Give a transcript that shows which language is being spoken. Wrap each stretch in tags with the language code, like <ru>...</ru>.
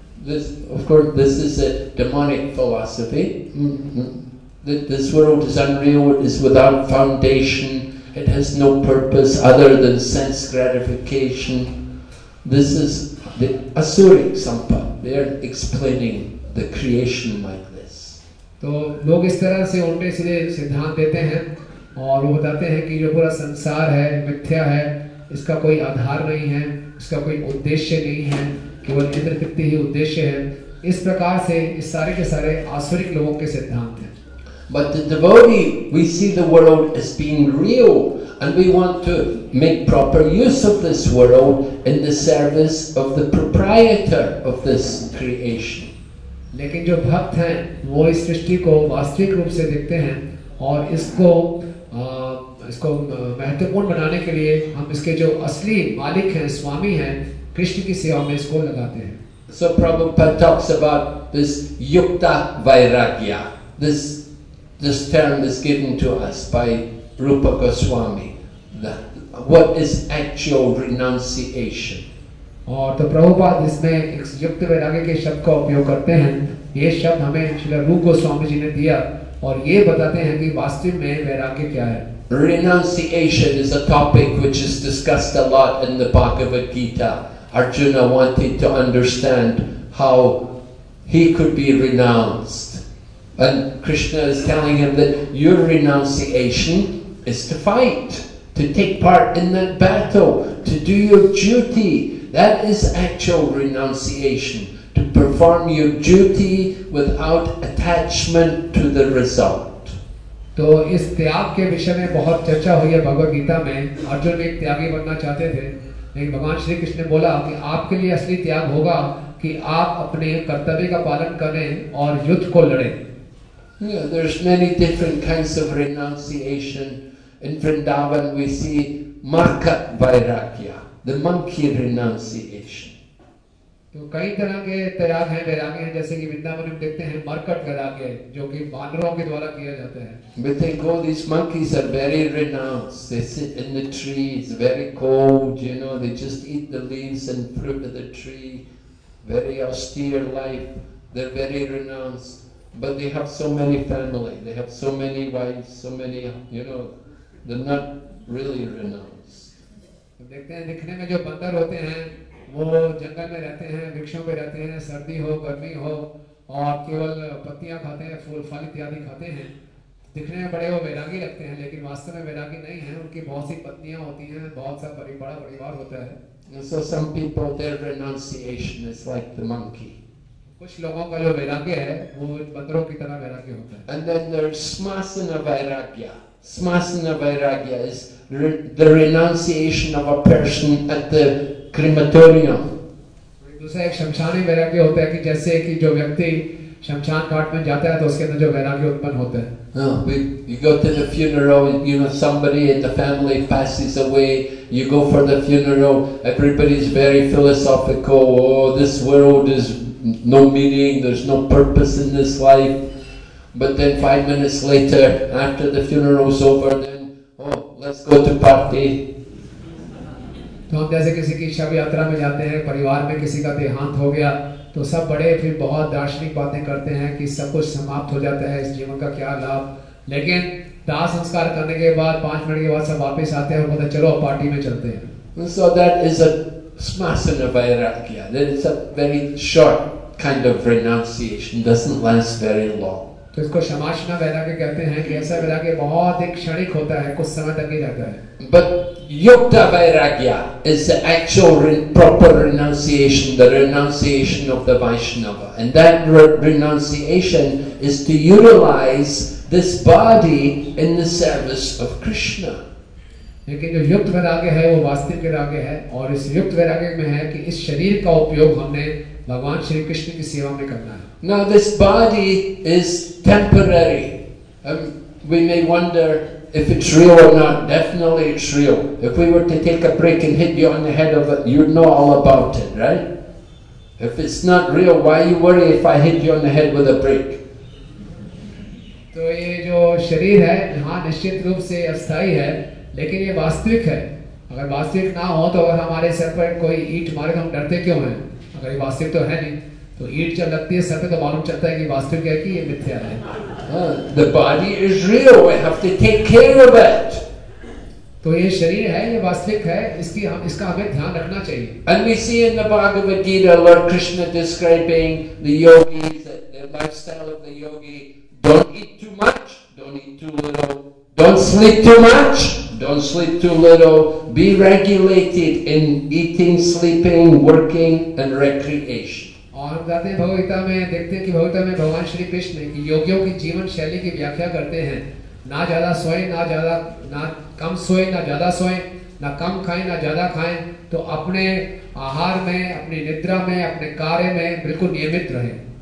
<en>This, of course, this is a demonic philosophy. That this world is unreal, it is without foundation, it has no purpose other than sense gratification. This is the Asuric Sampa. They are explaining the creation like this.</en> <hi>तो लोग इस तरह से उनपे इसलिए सिद्धांत देते हैं और वो बताते हैं कि जो पूरा संसार है मिथ्या है, इसका कोई आधार नहीं है, इसका कोई उद्देश्य नहीं है, केवल इंद्र तृप्ति ही उद्देश्य है. इस प्रकार से इस सारे के सारे आसुरिक लोगों के सिद्धांत हैं.</hi> <en>But the devotee, we see the world as being real, and we want to make proper use of this world in the service of the proprietor of this creation.</en> <hi>लेकिन जो भक्त हैं, वो इस सृष्टि को वास्तविक रूप से देखते हैं और इसको इसको महत्वपूर्ण बनाने के लिए हम इसके जो असली मालिक हैं, स्वामी हैं, कृष्ण की सेवा में इसको लगाते हैं.</hi> <en>So Prabhupada talks about this yukta vairagya. This term is given to us by Rupa Goswami. What is actual renunciation?</en> <hi>और तो प्रभुपाद इसमें एक युक्त वैराग्य के शब्द का उपयोग करते हैं. ये शब्द हमें श्री रूप गोस्वामी जी ने दिया और ये बताते हैं कि वास्तव में वैराग्य क्या है.</hi> <en>Renunciation is a topic which is discussed a lot in the Bhagavad Gita. Arjuna wanted to understand how he could be renounced. And Krishna is telling him that your renunciation is to fight, to take part in that battle, to do your duty. That is actual renunciation, to perform your duty without attachment to the result.</en> <hi>तो इस त्याग के विषय में बहुत चर्चा हुई है भगवद गीता में. अर्जुन एक त्यागी बनना चाहते थे, लेकिन भगवान श्री कृष्ण ने बोला कि आपके लिए असली त्याग होगा कि आप अपने कर्तव्य का पालन करें और युद्ध को लड़ें.</hi> <en>Yeah, there's many different kinds of renunciation. In Vrindavan we see Marka Vairagya, the monkey renunciation.</en> <hi>तो कई तरह के त्याग हैं, वैराग्य हैं, जैसे कि वृंदावन में देखते हैं मरकट वैराग्य जो कि वानरों के द्वारा किया जाता है.</hi> <en>We think, oh, these monkeys are very renounced. They sit in the trees, very cold, you know, they just eat the leaves and fruit of the tree, very austere life, they're very renounced. But they have so many family, they have so many wives, so many, you know, they're not really renounced.</en> <hi>देखते हैं दिखने में जो बंदर होते हैं वो जंगल में रहते हैं, वृक्षों पे रहते हैं, सर्दी हो गर्मी हो और केवल पत्तियां खाते हैं, फूल फल इत्यादि खाते हैं. दिखने में बड़े वो वैरागी लगते हैं लेकिन वास्तव में वैरागी नहीं है. उनकी बहुत सी पत्नियां होती हैं, बहुत सा बड़ा परिवार होता है.</hi> <en>So some people, their renunciation is like the monkey.</en> <hi>कुछ लोगों का जो वैराग्य है वो बंदरों की तरह वैराग्य होता है.</hi> <en>And then there's smasana vairagya. Smasana vairagya is the renunciation of a person at the crematorium.</en> <hi>दूसरा एक शमशान वैराग्य होता है कि जैसे कि जो व्यक्ति शमशान घाट में जाता है तो उसके अंदर जो वैराग्य उत्पन्न होता है.</hi> <en>You go to the funeral, you know, somebody in the family passes away, you go for the funeral, everybody's very philosophical, oh, this world is no meaning, there's no purpose in this life. But then 5 minutes later, after the funeral's over, then, oh, let's go to party.</en> <hi>तो हम जैसे किसी की शव यात्रा में जाते हैं, परिवार में किसी का देहांत हो गया, तो सब बड़े फिर बहुत दार्शनिक बातें करते हैं कि सब कुछ समाप्त हो जाता है, इस जीवन का क्या लाभ, लेकिन दाह संस्कार करने के बाद 5 मिनट के बाद सब वापस आते हैं और बोलते चलो पार्टी में चलते हैं.</hi> <en>So that is a smasana vairagya. That is a very short kind of renunciation. Doesn't last very long.</en> <hi>तो इसको समाशना वैराग्य कहते हैं कि ऐसा वैराग्य बहुत एक क्षणिक होता है, कुछ समय तक ही रहता है.</hi> <en>But yukta vairagya is the actual proper renunciation, the renunciation of the Vaishnava. And that renunciation is to utilize this body in the service of Krishna.</en> <hi>लेकिन जो युक्त वैराग्य है वो वास्तविक वैराग्य है, और इस युक्त वैराग्य में है कि इस शरीर का उपयोग हमने भगवान श्री कृष्ण की सेवा में करना है.</hi> <en>Now this body is temporary. We may wonder if it's real or not. Definitely it's real. If we were to take a break and hit you on the head of it, you'd know all about it, right? If it's not real, why you worry if I hit you on the head with a brick?</en> <hi>तो ये जो शरीर है हाँ निश्चित रूप से अस्थाई है, लेकिन ये वास्तविक है. अगर वास्तविक ना हो तो अगर हमारे सर पर कोई ईंट मारे तो हम डरते क्यों हैं? अगर ये वास्तविक तो है नहीं, तो ईंट जब लगती है सर पे तो मालूम चलता है कि वास्तविक है कि ये मिथ्या है.</hi> <en>The body is real. We have to take care of it.</en> <hi>तो ये शरीर है, ये वास्तविक है, इसकी हम इसका हमें ध्यान रखना चाहिए.</hi> <en>And we see in the Bhagavad Gita, Lord Krishna describing the yogis, the lifestyle of the yogi. Don't eat too much. Don't eat too little. Don't sleep too much. Don't sleep too little. Be regulated in eating, sleeping, working, and recreation.</en> <hi>और हम जाते हैं भगवगीता में, देखते हैं कि भगवगीता में भगवान श्री कृष्ण योगियों की जीवन शैली की व्याख्या करते हैं. ना ज्यादा सोएं, ना ज्यादा, ना कम सोएं, ना ज्यादा सोएं, ना कम खाएं, ना ज्यादा खाएं. तो अपने आहार में, अपनी निद्रा में, अपने कार्य में बिल्कुल नियमित रहें.</hi>